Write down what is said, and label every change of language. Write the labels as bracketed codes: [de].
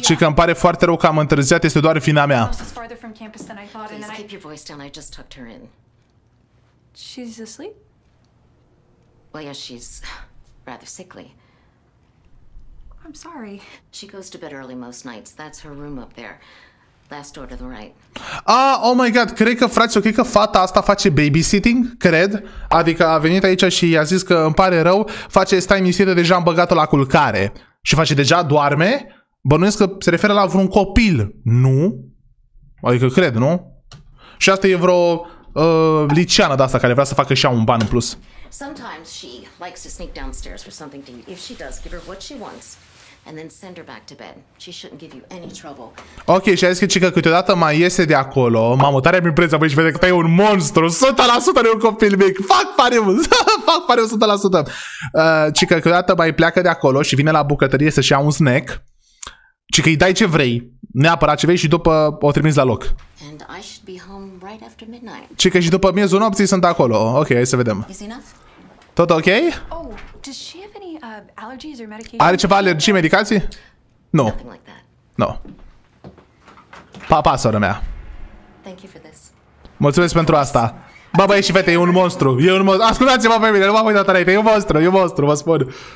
[ro] Ci că îmi pare foarte rău că am întârziat, este doar vina mea. [en] Please keep your voice down, I just tucked her in. She's asleep? Well, yeah, she's rather sickly. I'm sorry. She goes to bed early most nights. That's her room up there. Last door to the right. [ro] Ah, oh my god, cred că frate, cred că fata asta face babysitting, cred. Adică a venit aici și i-a zis că îmi pare rău, face stai misiune deja am băgat-o la culcare. Și face deja doarme. Bănuiesc că se referă la vreun copil, nu? Adică cred, nu? Și asta e vreo liceană de asta care vrea să facă și ea un ban în plus. [en] Sometimes she likes to sneak downstairs for something to eat. If she does, give her what she wants and then send her back to bed. She shouldn't give you any trouble. [ro] Ok, și a zis că cică câteodată mai iese de acolo. Mamă, tare mi-e preța, băi, și vede că e un monstru. 100% nu e un copil mic. Fac pariu. Fac pariu 100%. Cică câteodată mai pleacă de acolo și vine la bucătărie să-și ia un snack. Cică îi dai ce vrei. Neapărat ce vrei și după o trimiți la loc. [en] And I should be home right after midnight. [ro] Cică și după miezul nopții sunt acolo. Ok, hai să vedem. [en] Is enough? [ro] Tot ok? [en] Oh, does she have any allergies or medication? [ro] Are ceva alergii, medicații? Nu. [en] Nothing like that. No. [ro] Pa, pa, sora mea. [en] Thank you for this. [ro] Mulțumesc pentru asta. Bă, băi și fete, e un monstru. E un monstru. Ascultați-mă pe mine, nu m-am uitat înainte. E un monstru, e un monstru, vă spun.